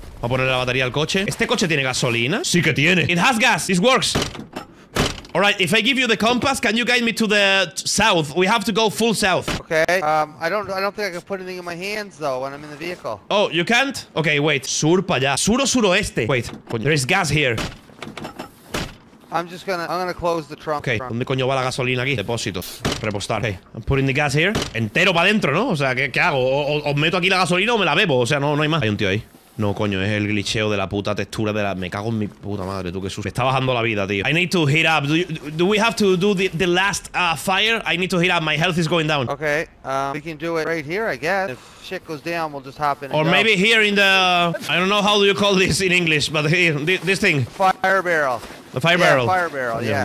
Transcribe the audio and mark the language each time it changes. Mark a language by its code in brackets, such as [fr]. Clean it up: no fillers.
[es] Voy a poner la batería al coche. ¿Este coche tiene gasolina? Sí que tiene. [en] It has gas. This works. All right, if I give you the compass, can you guide me to the south? We have to go full south. Okay. I don't think I can put anything in my hands though when I'm in the vehicle. Oh, you can't? Okay, wait. [es] Sur pa allá. Sur o suroeste. [en] Wait. There is gas here. I'm gonna close the trunk. [es] Okay, ¿dónde coño va la gasolina aquí? Depósito. Repostar. [en] Okay, I'm putting the gas here. [es] Entero para adentro, ¿no? O sea, ¿qué hago? O meto aquí la gasolina o me la bebo. O sea, no hay más. Hay un tío ahí. No, coño, es el glitcheo de la puta textura de la... Me cago en mi puta madre, tú, qué susto. Me está bajando la vida, tío. [en] I need to hit up. Do we have to do the last fire? I need to hit up. My health is going down. Okay, we can do it right here, I guess. If shit goes down, we'll just hop in. Or go. Maybe here in the... I don't know how do you call this in English, but here, this thing. Fire barrel. The fire barrel. Fire barrel, yeah.